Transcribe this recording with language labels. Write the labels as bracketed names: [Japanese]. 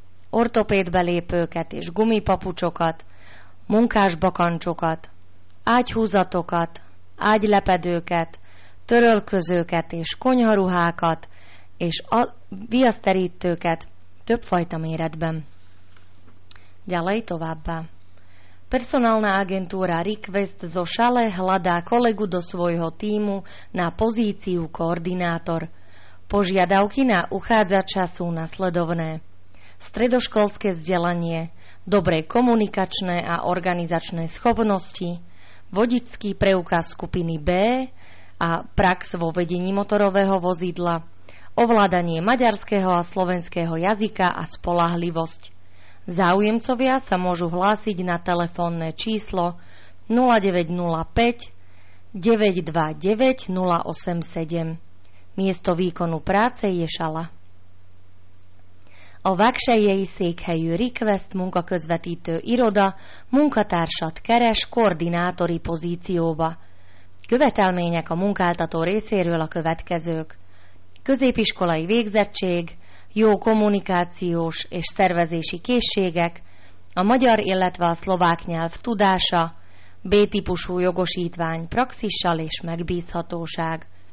[Hungarian] ortopéd belépőket és gumipapucsokat, munkás bakancsokat, ágyhúzatokat, ágylepedőket, törölközőket és konyharuhákat és viaszterítőket többfajta méretben. [Slovak] Ďalej [Hungarian] továbbá. [Slovak] Personálna agentúra Request zo Šale hľadá kolegu do svojho tímu na pozíciu koordinátor. Požiadavky na uchádzača sú nasledovné. Stredoškolské vzdelanie, dobré komunikačné a organizačné schopnosti, vodičský preukaz skupiny B a prax vo vedení motorového vozidla, ovládanie maďarského a slovenského jazyka a spoľahlivosť. Záujemcovia sa môžu hlásiť na telefónne číslo 0905 929 087. Miesto výkonu práce je Šala. [Hungarian] A vakšejei székhelyű Request munkaközvetítő iroda munkatársat keres koordinátori pozícióba. Követelmények a munkáltató részéről a következők. Középiskolai végzettség, jó kommunikációs és szervezési készségek, a magyar, illetve a szlovák nyelv tudása, B-típusú jogosítvány praxissal és megbízhatóság.